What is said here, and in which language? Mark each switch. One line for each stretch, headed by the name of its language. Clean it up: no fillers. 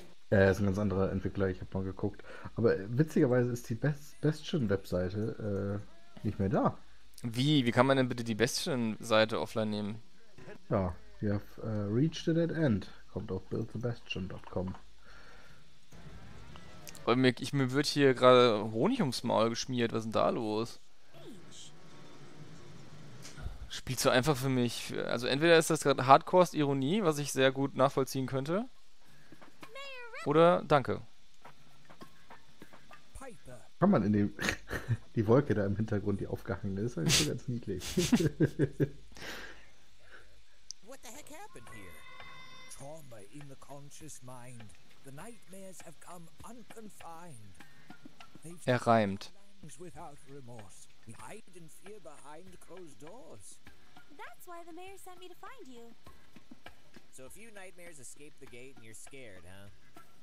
German: Ja, das ist ein ganz anderer Entwickler, ich habe mal geguckt. Aber witzigerweise ist die Bastion-Webseite nicht mehr da. Wie kann man denn bitte die Bastion-Seite offline nehmen?
English: Ja, we have reached the dead end.
German: Kommt auf buildthebastion.com. Mir wird hier gerade Honig ums Maul geschmiert. Was ist denn da los? Spielt so einfach für mich. Also entweder ist das gerade Hardcore-Ironie, was ich sehr gut nachvollziehen könnte. Oder danke. Kann man in dem die Wolke da im Hintergrund, die aufgehangen ist, eigentlich ganz niedlich.
English: What the heck happened here? Trauma in the conscious mind. The nightmares have come unconfined.
German: Er reimt.
English: Without remorse. We hide in fear behind closed doors. That's why the mayor sent me to find you. So a few nightmares escape the gate and you're scared, huh?